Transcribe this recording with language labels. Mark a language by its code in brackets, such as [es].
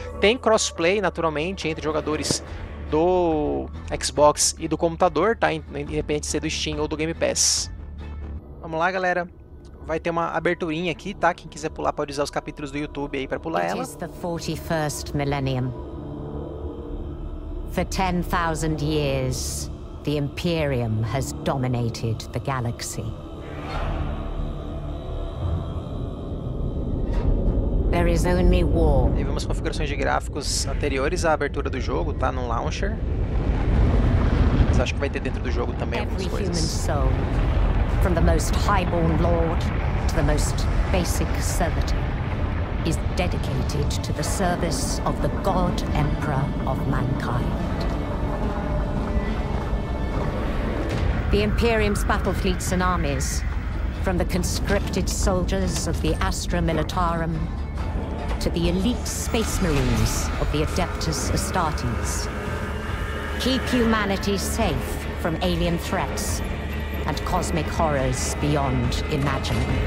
[pt] Tem crossplay, naturalmente, entre jogadores do Xbox e do computador, tá? Independente de ser do Steam ou do Game Pass. Vamos lá, galera. Vai ter uma aberturinha aqui, tá? Quem quiser pular pode usar os capítulos do YouTube aí pra pular ela. [en] It is the 41st millennium. For 10,000 years, the Imperium has dominated the galaxy. There is only war. [pt] Teve umas configurações de gráficos anteriores à abertura do jogo, tá? No launcher. Mas acho que vai ter dentro do jogo também algumas coisas. [en] From the most highborn lord to the most basic servant is dedicated to the service of the god emperor of mankind. The Imperium's battle fleets and armies, from the conscripted soldiers of the Astra Militarum to the elite space marines of the Adeptus Astartes, keep humanity safe from alien threats and cosmic horrors beyond imagining.